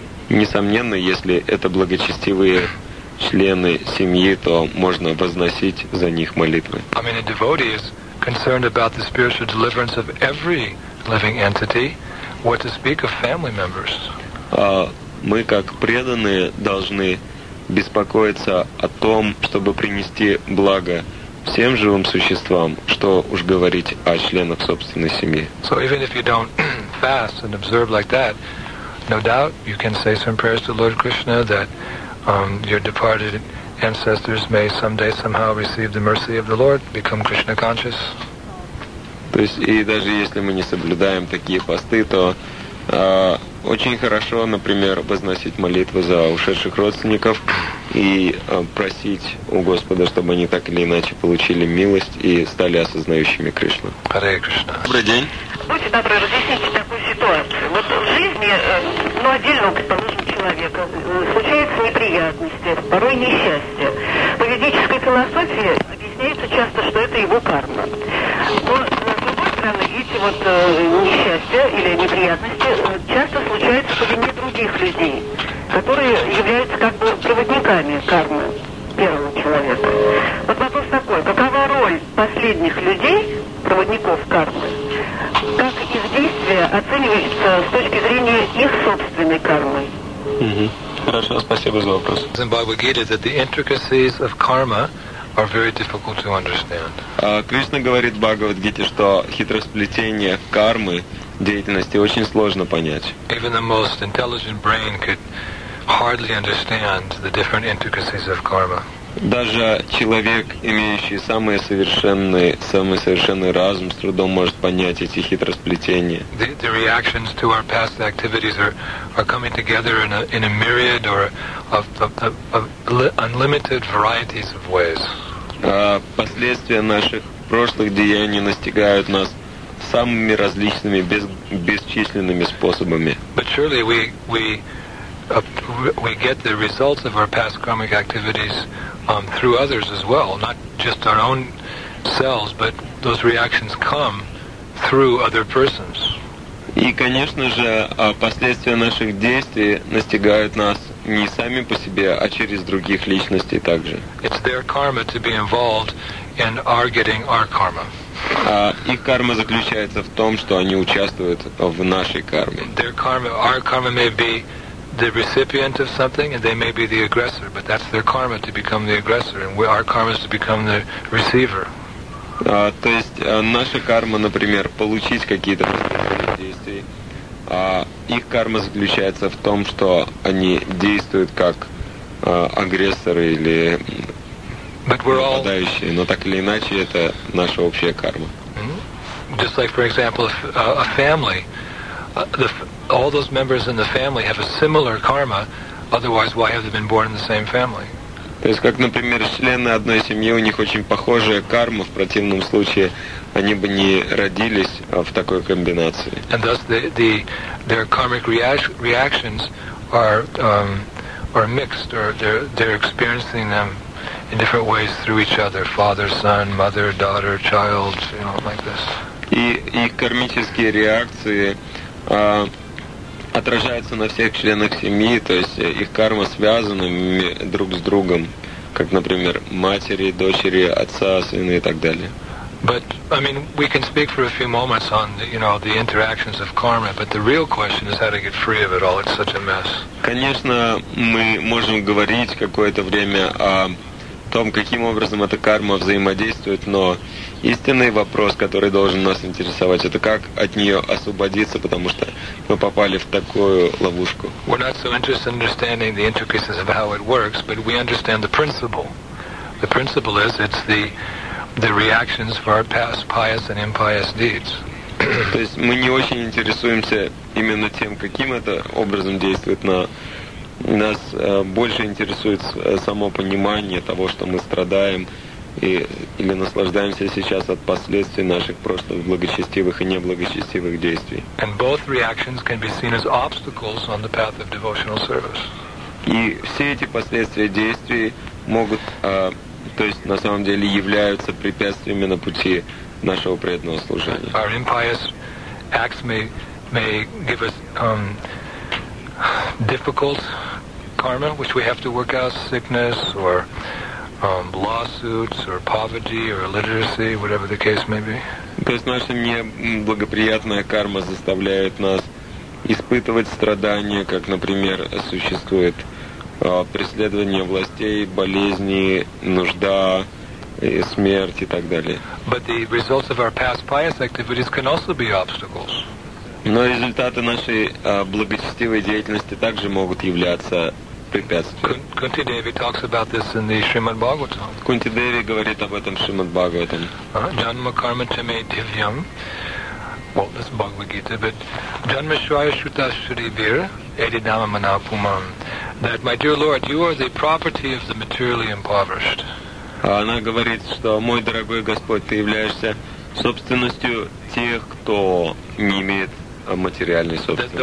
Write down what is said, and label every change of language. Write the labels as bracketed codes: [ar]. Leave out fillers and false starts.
[ru] Несомненно, если это благочестивые члены семьи, то можно возносить за них молитвы. [en] I mean, a devotee is concerned about the spiritual deliverance of every living entity. What to speak of family members? [ru] Мы, как преданные, должны беспокоиться о том, чтобы принести благо всем живым существам, что уж говорить о членах собственной семьи. [en] So even if you don't fast and observe like that, no doubt you can say some prayers to Lord Krishna that your departed ancestors may someday somehow receive the mercy of the Lord, become Krishna conscious. [ru] То есть и даже если мы не соблюдаем такие посты, то очень хорошо, например, возносить молитвы за ушедших родственников и просить у Господа, чтобы они так или иначе получили милость и стали осознающими Кришну. Харе Кришна. Добрый день. Будьте добры, разъясните такую ситуацию. Вот в жизни, ну, отдельного, предположим, человека случаются неприятности, порой несчастья. По ведической философии объясняется часто, что это его карма. Но, с другой стороны, эти вот несчастья или неприятности часто случаются по вине других людей, которые являются как бы проводниками кармы первого человека. Вот вопрос такой, какова роль последних людей, проводников кармы, как их действия оцениваются с точки зрения их собственной кармы? Хорошо, спасибо за вопрос. [en] In Bhagavad Gita, that the intricacies of karma are very difficult to understand. [ru] Кришна говорит в Бхагавад Гите, что хитросплетение кармы, деятельности, очень сложно понять. [en] Even the most intelligent brain could hardly understand the different intricacies of karma. [ru] Даже человек, имеющий самый совершенный разум, с трудом может понять эти хитросплетения. [en] The reactions to our past activities are coming together in a myriad or of unlimited varieties of ways. [ru] Последствия наших прошлых деяний настигают нас самыми различными бесчисленными способами. [en] But surely we get the results of our past karmic activities through others as well, not just our own selves, but those reactions come through other persons. [ru] И, конечно же, последствия наших действий настигают нас не сами по себе, а через других личностей также. [en] It's their karma to be involved in our getting our karma. [ru] Их карма заключается в том, что они участвуют в нашей карме. [en] Their karma, our karma may be the recipient of something, and they may be the aggressor, but that's their karma to become the aggressor, and our karma is to become the receiver. [ru] То есть наша карма, например, получить какие-то действия, их карма заключается в том, что они действуют как агрессоры или нападающие, но так или иначе это наша общая карма. [en] Just like, for example, a family, all those members in the family have a similar karma, otherwise why have they been born in the same family? [ru] То есть, как, например, члены одной семьи, у них очень похожая карма, в противном случае они бы не родились в такой комбинации. [en] And thus their karmic reactions are mixed, or they're experiencing them in different ways through each other, father, son, mother, daughter, child, you know, like this. [ru] И их кармические реакции отражаются на всех членах семьи, то есть их карма связана друг с другом, как, например, матери, дочери, отца, сына и так далее. [en] But I mean, we can speak for a few moments on the, you know, the interactions of karma, but the real question is how to get free of it all. It's such a mess. [ru] Конечно, мы можем говорить какое-то время о том, каким образом эта карма взаимодействует, но истинный вопрос, который должен нас интересовать, это как от нее освободиться, потому что мы попали в такую ловушку. [en] We're not so interested in understanding the intricacies of how it works, but we understand the principle. The principle is it's the reactions for our past pious and impious deeds. [ru] То есть мы не очень интересуемся именно тем, каким это образом действует на нас, больше интересует само понимание того, что мы страдаем или наслаждаемся сейчас от последствий наших прошлых благочестивых и неблагочестивых действий. [en] And both reactions can be seen as obstacles on the path of devotional service. [ru] И все эти последствия действий могут, то есть на самом деле являются препятствиями на пути нашего преданного служения. [en] Our impious acts may give us difficult karma, which we have to work out, sickness or lawsuits or poverty or illiteracy, whatever the case may be. [ru] То есть наша неблагоприятная карма заставляет нас испытывать страдания, как, например, существует преследование властей, болезни, нужда, смерть и так далее. [en] But the results of our past pious activities can also be obstacles. [ru] Но результаты нашей благочестивой деятельности также могут являться препятствиями. [en] Кунти Деви talks about this in the Shrimad Bhagavatam. [ru] Кунти Деви говорит об этом в Шримад Бхагаватам. [sa] Janma karma chame divyam. [en] Well, this is Bhagavad Gita, but [sa] Janma shraya shruta shuribir edinama manapumam. [en] That, my dear Lord, you are the property of the materially impoverished. [ru] Она говорит, что, мой дорогой Господь, ты являешься собственностью тех, кто не имеет материальной собственности.